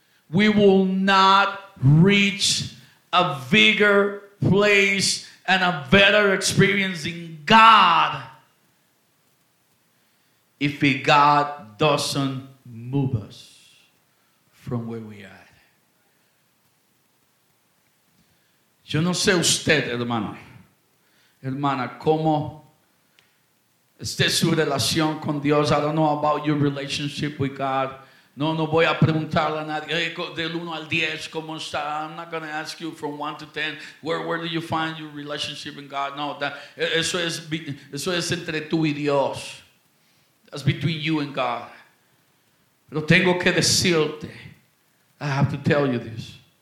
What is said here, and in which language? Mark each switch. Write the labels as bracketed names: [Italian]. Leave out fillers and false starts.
[English] We will not reach a bigger place and a better experience in God if God doesn't move us from where we are. [Spanish] Yo no sé usted, hermano, hermana, ¿cómo esté su relación con Dios? [English] I don't know about your relationship with God. [Spanish] No voy a preguntarle a nadie, hey, del 1 al 10, ¿cómo está? [English] I'm not going to ask you from 1 to 10, where do you find your relationship in God? [Spanish] No, eso es entre tú y Dios. [English] That's between you and God. [Spanish] Pero tengo que decirte, [English] I have to tell you this.